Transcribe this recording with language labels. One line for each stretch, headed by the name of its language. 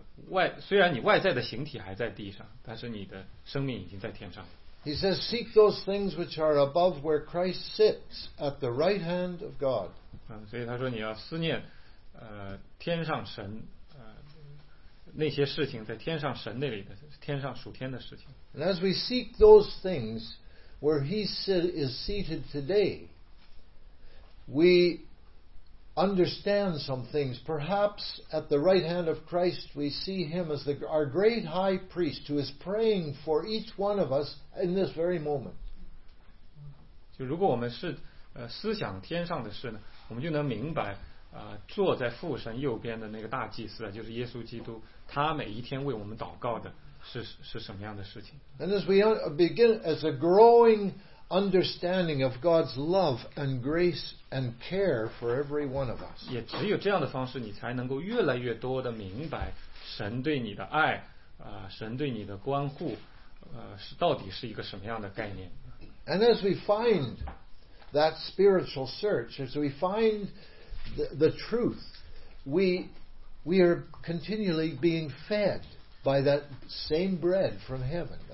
Chinese: 外虽然你外在的形体还在地上，但是你的生命已经在天上。
English: He says, "Seek those things which are above, where Christ sits at the right hand of God."
Chinese: 所以他说你要思念，天上神，那些事情在天上神那里的天上属天的事情。
English: And as we seek those things where He is seated today, we understand some things. Perhaps at the right hand of Christ, we see Him as our great High Priest, who is praying for each one of us in this very moment.
Chinese: 就如果我们是思想天上的事呢，我们就能明白。坐在父神右边的那个大祭司就是耶稣基督，他每一天为我们祷告的是什么样的事情。
English: And as we begin as a growing understanding of God's love and grace and care for every one of us,
Chinese: 也只有这样的方式你才能够越来越多的明白神对你的爱，神对你的关护，是到底是一个什么样的概念。
English: And as we find that spiritual search, as we findThe truth, we are continually being fed by that same bread from heaven.